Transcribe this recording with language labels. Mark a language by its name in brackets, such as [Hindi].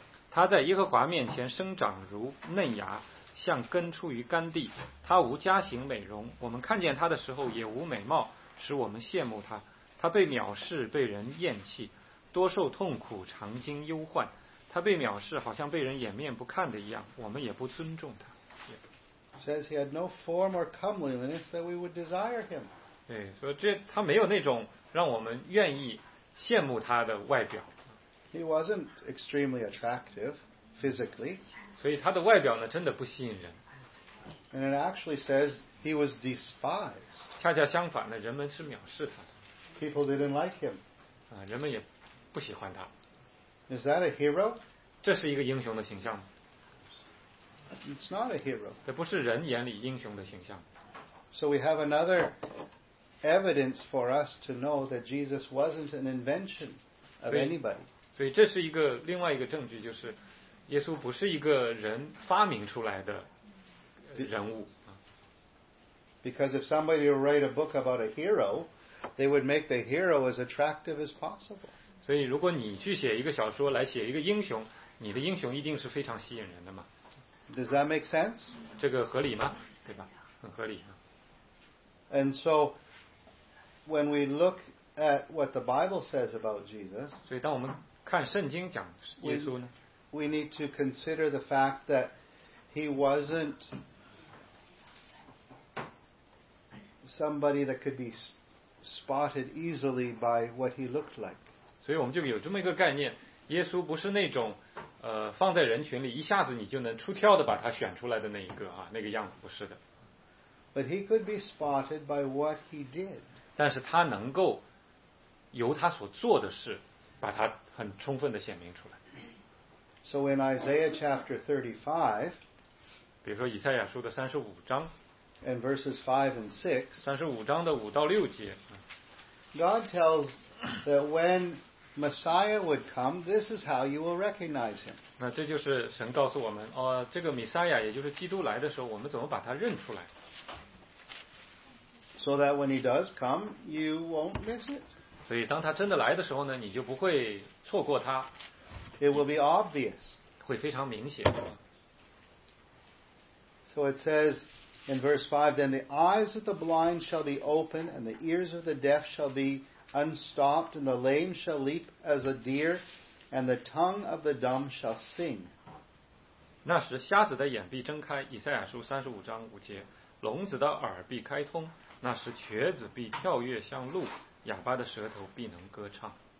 [Chinese] 他在耶和华面前生长如嫩芽，像根出于干地。他无家形美容，我们看见他的时候也无美貌，使我们羡慕他。他被藐视，被人厌弃，多受痛苦，常经忧患。他被藐视，好像被人掩面不看的一样，我们也不尊重他。 [English] Says he had no form or comeliness that we would desire him. [Chinese] 对，所以他没有那种让我们愿意羡慕他的外表。 [English] He wasn't extremely attractive physically. [Chinese] 所以他的外表呢，真的不吸引人。 [English] And it actually says he was despised. [Chinese] 恰恰相反呢，人们是藐视他的。 [English] People didn't like him. [Chinese] 人们也不喜欢他。 [English] Is that a hero? [Chinese] 这是一个英雄的形象吗？ [English] It's not a hero. [Chinese] 这不是人眼里英雄的形象。 [English] So we have another evidence for us to know that Jesus wasn't an invention of anybody. [Chinese] 所以这是一个另外一个证据，就是耶稣不是一个人发明出来的人物。 [English] Because if somebody would write a book about a hero, they would make the hero as attractive as possible. [Chinese] 所以如果你去写一个小说来写一个英雄，你的英雄一定是非常吸引人的嘛。 [English] Does that make sense? [Chinese] 这个合理吗？对吧？很合理。 [English] And so, when we look at what the Bible says about Jesus, [Chinese] 所以当我们看圣经讲耶稣呢？ [English] We need to consider the fact that he wasn't somebody that could be spotted easily by what he looked like. [Chinese] 所以我们就有这么一个概念，耶稣不是那种放在人群里一下子你就能出挑的把他选出来的那一个啊，那个样子不是的。 [English] But he could be spotted by what he did. [Chinese] 但是他能够由他所做的事把他很充分的显明出来。 [English] So in Isaiah chapter 35, [Chinese] 比如说以赛亚书的三十五章 [English] and verses 5 and 6, [Chinese] 三十五章的五到六节， [English] God tells that when Messiah would come, this is how you will recognize him. [Chinese] 那这就是神告诉我们，哦，这个弥赛亚也就是基督来的时候，我们怎么把他认出来？ [English] So that when he does come, you won't miss it. [Chinese] 所以当他真的来的时候呢，你就不会错过他。 [English] It will be obvious. [Chinese] 会非常明显。 [English] So it says in verse 5, then the eyes of the blind shall be open, and the ears of the deaf shall be unstopped, and the lame shall leap as a deer, and the tongue of the dumb shall sing. [Chinese] 那时瞎子的眼必睁开，以赛亚书三十五章五节，聋子的耳必开通。那时瘸子必跳跃像鹿，哑巴的舌头必能歌唱。